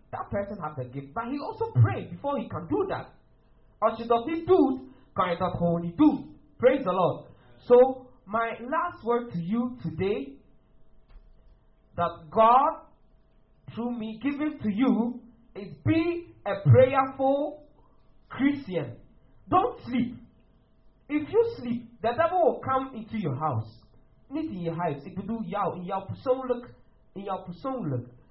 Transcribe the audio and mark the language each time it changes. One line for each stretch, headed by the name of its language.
English: That person has the gift, but he also prayed before he can do that.
Dutch: Als je dat niet doet, kan je dat gewoon niet doen.
English: Praise the Lord. So, my last word to you today, that God, through me, giving to you, is be a prayerful Christian. Don't sleep. If you sleep, the devil will come into your house.
Dutch: Niet
English: in your house.
Dutch: Ik bedoel jou, in jouw persoonlijk. In jouw persoonlijk.